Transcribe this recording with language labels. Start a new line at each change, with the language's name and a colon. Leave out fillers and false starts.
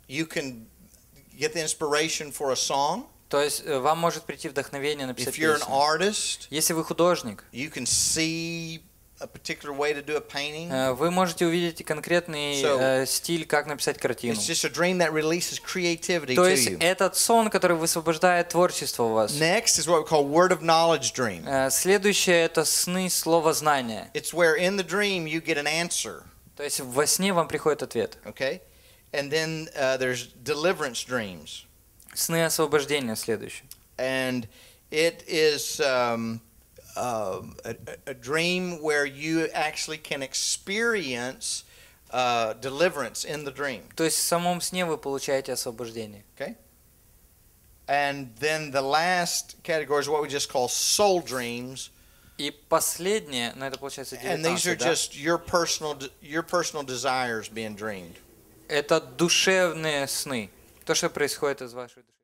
English: you can get the inspiration for a song.
Russian: То есть вам может прийти вдохновение написать песню.
English: If you're an artist,
Russian: если вы художник,
English: you can see a particular way to do a painting.
Russian: Вы можете увидеть конкретный стиль, как написать картину.
English: It's just a dream that releases creativity to you.
Russian: То есть этот сон, который высвобождает творчество у вас.
English: Next is what we call word of knowledge dream.
Russian: Следующее это сны слова знания.
English: It's where in the dream you get an answer.
Russian: То есть во сне вам приходит ответ.
English: Okay. And then there's deliverance dreams.
Russian: Сны освобождения следующие.
English: And it is a dream where you actually can experience deliverance in the dream.
Russian: То есть в самом сне вы получаете освобождение.
English: Okay. And then the last category is what we just call soul dreams.
Russian: И последнее, но это получается 19, да? Это душевные сны, то, что происходит из вашей души.